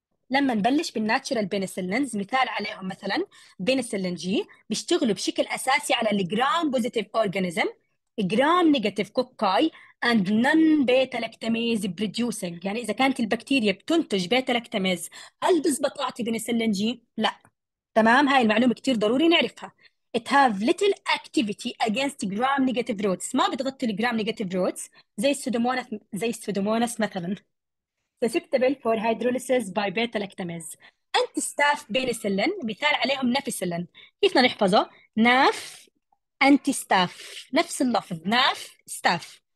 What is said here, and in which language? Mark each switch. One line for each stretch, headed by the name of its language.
Arabic: لما نبلش بالناتشورال بنسلينز مثال عليهم مثلا بنسلين جي بيشتغلوا بشكل اساسي على الجرام بوزيتيف اورجانيزم جرام نيجاتيف كوكاي اند نون بيتا لاكتاميز بروديوسينج، يعني اذا كانت البكتيريا بتنتج بيتا لاكتاميز هل بزبط اعطي بنسلين جي؟ لا. تمام، هاي المعلومه كثير ضروري نعرفها.
English: It have little activity against gram negative roots.
Arabic: ما بتغطي الجرام نيجاتيف roots زي السودوموناس، زي السودوموناس مثلا.
English: Susceptible for hydrolysis by beta lactamase.
Arabic: انت ستاف بنسلين مثال عليهم نافيسلين. كيف نحفظه؟ ناف انتي ستاف، نفس اللفظ ناف ستاف.